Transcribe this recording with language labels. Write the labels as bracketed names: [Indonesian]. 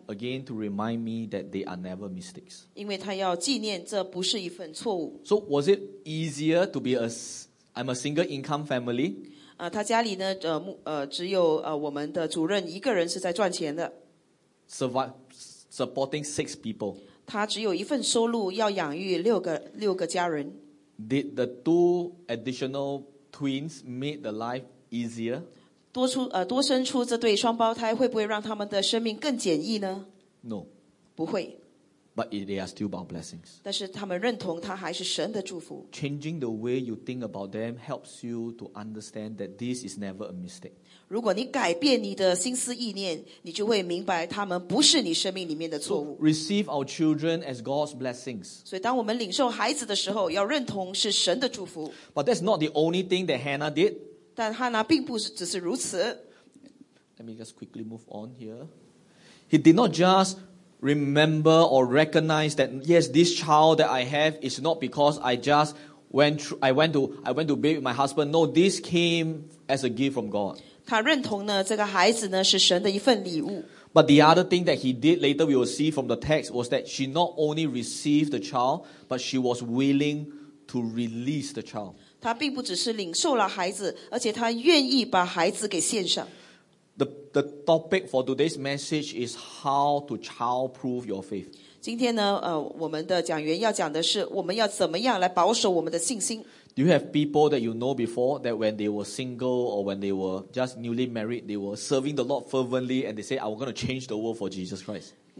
[English] Again, to remind me that they are never mistakes. [Chinese] 因为他要纪念这不是一份错误。 [English] So was it easier to be I'm a single income family? [Chinese] 他家里呢，只有我们的主任一个人是在赚钱的。 [English] Supporting six people. [Chinese] 他只有一份收入，要养育六个家人。 [English] Did the two additional twins make the life easier? [Chinese] 多生出这对双胞胎会不会让他们的生命更简易呢? [English] No. [Chinese] 不会。 [English] But they are still about blessings. [Chinese] 但是他们认同他还是神的祝福。 [English] Changing the way you think about them helps you to understand that this is never a mistake. [Chinese] 如果你改变你的心思意念, 你就会明白他们不是你生命里面的错误。 [English] So receive our children as God's blessings. [Chinese] 所以当我们领受孩子的时候, 要认同是神的祝福。 [English] But that's not the only thing that Hannah did. [Chinese] 但哈拿并不只是如此。 [English] Let me just quickly move on here. He did not just remember or recognize that yes, this child that I have is not because I just went through, I went to bed with my husband. No, this came as a gift from God. [Chinese] 他认同呢，这个孩子呢是神的一份礼物。 [English] But the other thing that he did later, we will see from the text, was that she not only received the child, but she was willing to release the child. [Chinese] 他并不只是领受了孩子，而且他愿意把孩子给献上。 [English] The topic for today's message is how to childproof your faith. [Chinese] 今天呢，我们的讲员要讲的是，我们要怎么样来保守我们的信心。 [English] Do you have people that you know before that when they were single or when they were just newly married, they were serving the Lord fervently and they say, I'm going to change the world for Jesus Christ?